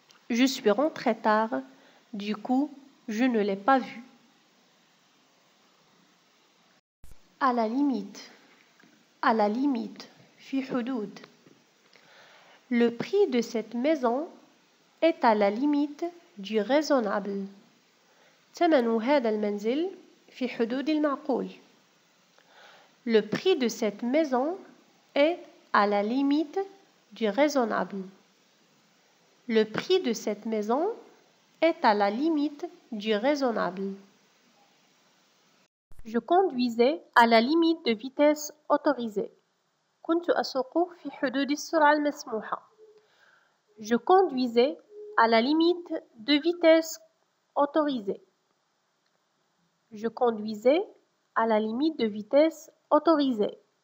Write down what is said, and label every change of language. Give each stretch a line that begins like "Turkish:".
French: Je suis rentrée tard. Du coup, je ne l'ai pas vu. À la limite. À la limite.
Arabic: في حدود.
French: Le prix de cette maison est à la limite du raisonnable.
Arabic: ثمن هذا المنزل في حدود المعقول.
French: Le prix de cette maison est à la limite du raisonnable. Le prix de cette maison est à la limite du raisonnable. Je conduisais à la limite de vitesse autorisée.
Arabic: كنت أسوق في حدود السرعة المسموحة.
French: Je conduisais à la limite de vitesse autorisée. Je conduisais à la limite de vitesse autorisée.